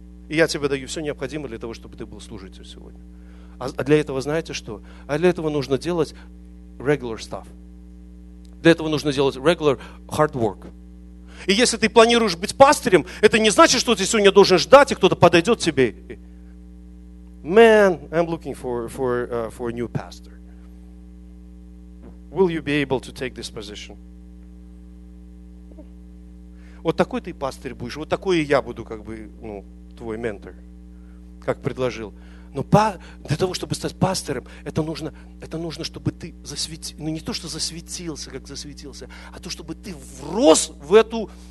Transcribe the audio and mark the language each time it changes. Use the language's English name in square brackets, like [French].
[Russian] И я тебе даю все необходимое для того, чтобы ты был служителем сегодня. А для этого знаете что? А для этого нужно делать [English] regular stuff. [Russian] Для этого нужно делать [English] regular hard work. [Russian] И если ты планируешь быть пастырем, это не значит, что ты сегодня должен ждать, и кто-то подойдет тебе. [English] Man, I'm looking for a new pastor. Will you be able to take this position? [Russian] Вот такой ты пастырь будешь, вот такой и я буду, как бы, ну, твой ментор, как предложил. Но для того, чтобы стать пастором, это нужно, чтобы ты засветился. Ну не то, что засветился, как засветился, а то, чтобы ты врос в эту,